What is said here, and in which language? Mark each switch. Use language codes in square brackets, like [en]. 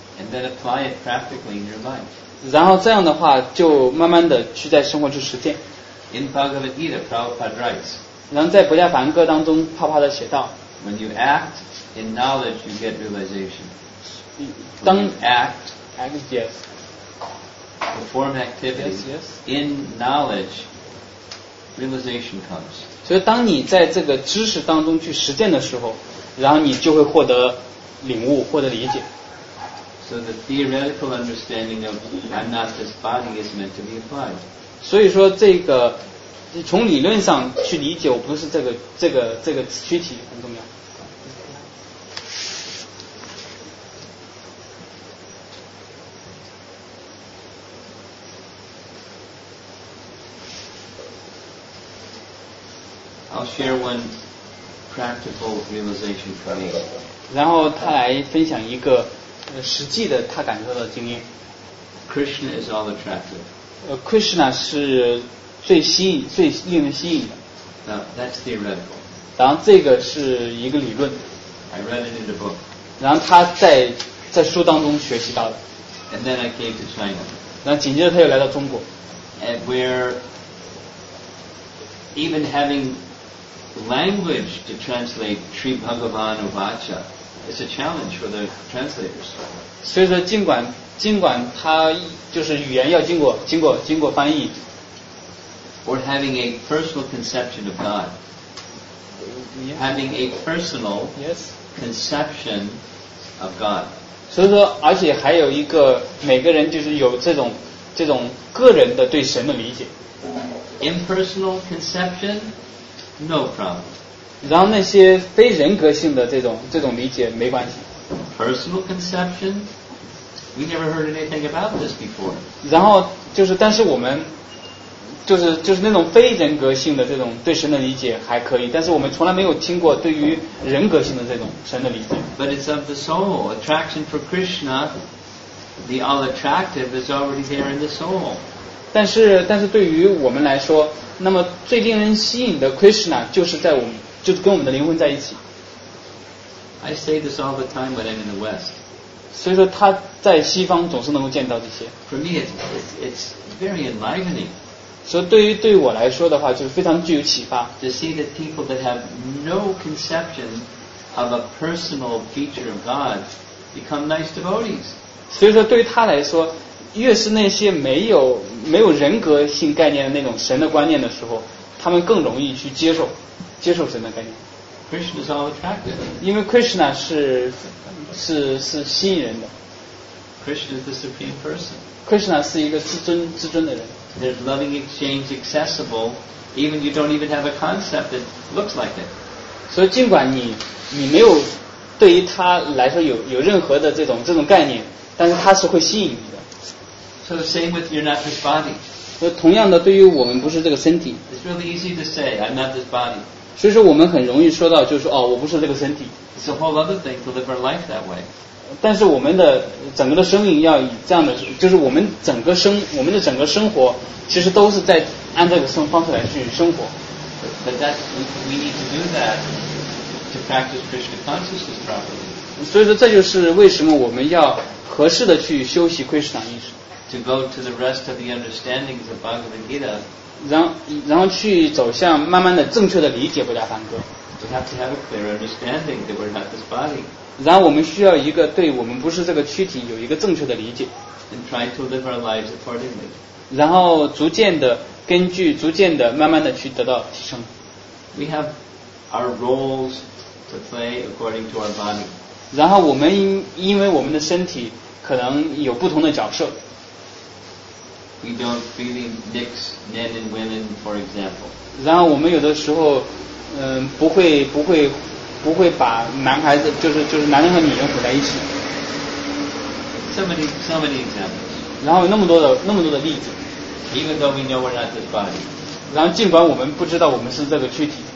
[en] ，and then apply it practically in your life. [zh] 然后这样的话，就慢慢的去在生活去实践。 [en] In Bhagavad Gita, Prabhupada writes. [zh] 然后在《不涅槃歌》当中，啪啪的写道 [en] ，When you act in knowledge, you get realization. [zh] 当 [en] act, yes. Perform activities in knowledge, realization comes. [zh] 所以当你在这个知识当中去实践的时候，然后你就会获得领悟，获得理解。 [en] So the theoretical understanding of I'm not this body is meant to be applied. [zh] 所以说这个从理论上去理解我不是这个躯体很重要。 [en] I'll share one practical realization for me. [zh] 然后他来分享一个实际的他感受的经验。 [en] Krishna is all attractive. [zh] Krishna 是最吸引、最令人吸引的。 [en] Now, that's theoretical. [zh] 然后这个是一个理论。 [en] I read it in the book. [zh] 然后他在书当中学习到的。 [en] And then I came to China. [zh] 然后紧接着他又来到中国。 [en] And where even having language to translate Sri Bhagavan Uvacha is a challenge for the translators. [zh] 所以说尽管他就是语言要经过翻译 [en] or having a personal conception of God. Having a personal conception of God. [zh] 所以说而且还有一个每个人就是有这种个人的对神的理解 [en] Impersonal conceptionNo problem. [zh] 然后那些非人格性的这种理解没关系。 [en] Personal conception, we never heard anything about this before. [zh] 然后就是，但是我们就是那种非人格性的这种对神的理解还可以，但是我们从来没有听过对于人格性的这种神的理解。 [en] But it's of the soul. Attraction for Krishna, the all attractive is already there in the soul. [zh] 但是对于我们来说，那么最令人吸引的 Krishna 就是在我们，就是跟我们的灵魂在一起。 [en] I say this all the time when I'm in the West. [zh] 所以说他在西方总是能够见到这些。 [en] For me, it's very enlivening. [zh] 所以对于我来说的话，就是非常具有启发。 [en] To see that people that have no conception of a personal feature of God become nice devotees. [zh] 所以说对于他来说，越是那些没有人格性概念的那种神的观念的时候，他们更容易去接受神的概念。 [en] Krishna is all attractive. [zh] 因为 Krishna 是吸引人的。 [en] Krishna is the supreme person. [zh] Krishna 是一个至尊的人。 [en] There's loving exchange accessible, even you don't even have a concept that looks like it. [zh] 所以尽管你没有对于他来说有任何的这种概念，但是他是会吸引你的。 [en] So same with you're not this body. [zh] 所以同样的，对于我们不是这个身体。 [en] It's really easy to say I'm not this body. [zh] 所以说我们很容易说到，就是说哦，我不是这个身体。 [en] It's a whole other thing to live our life that way. [zh] 但是我们的整个的生命要以这样的，就是我们的整个生活，其实都是在按这个方式来去生活。 [en] But that we need to do that to practice Krishna consciousness properly. [zh] 所以说这就是为什么我们要合适的去修习 Krishna 意识。 [en] To go to the rest of the understandings of Bhagavad Gita. [zh] 然后去走向慢慢的正确的理解《维达梵歌》。 [en] We have to have a clear understanding that we're not this body. [zh] 然后我们需要一个对我们不是这个躯体有一个正确的理解。 [en] And try to live our lives accordingly. [zh] 然后逐渐的慢慢的去得到提升。 [en] We have our roles to play according to our body. [zh] 然后我们因为我们的身体可能有不同的角色。 [en] We don't really mix men and women, for example. [zh] 然后我们有的时候，不会把男孩子，就是男人和女人混在一起。 [en] So many examples. [zh] 然后有那么多的例子。 [en] Even though we know we're not this body. [zh] 然后尽管我们不知道我们是这个躯体。